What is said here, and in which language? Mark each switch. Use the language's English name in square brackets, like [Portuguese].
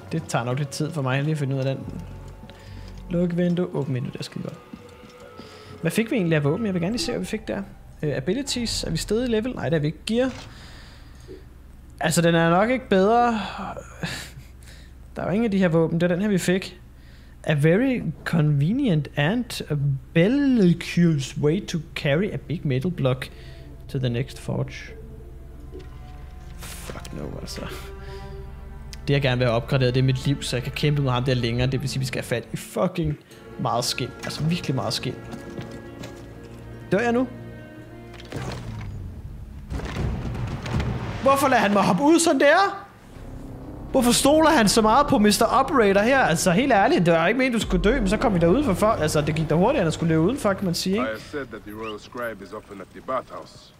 [Danish] Det tager nok lidt tid for mig lige at finde ud af den. Luk vindue, åbne vindue, der skal vi godt. Hvad fik vi egentlig af våben? Jeg vil gerne lige se, hvad vi fik der. Abilities, er vi stadig i level? Nej, det er vi ikke gear. Altså, den er nok ikke bedre. Der er jo ingen af de her våben, det er den her, vi fik. [English] A very convenient and a bellicose way to carry a big metal block to the next forge. Fuck no, altså. [Danish] Det jeg gerne vil have opgraderet, det er mit liv, så jeg kan kæmpe med ham der længere. Det vil sige, vi skal have fat i fucking meget skin. Altså virkelig meget skin. Dør jeg nu? Hvorfor lader han mig hoppe ud sådan der? Hvorfor stoler han så meget på Mr. Operator her? Altså helt ærligt, det var ikke meningen, du skulle dø, men så kom vi derude for før. Altså det gik da hurtigere, end at skulle leve udenfor, kan man sige, ikke? [English] I have said that the Royal Scribe is often at the bathhouse.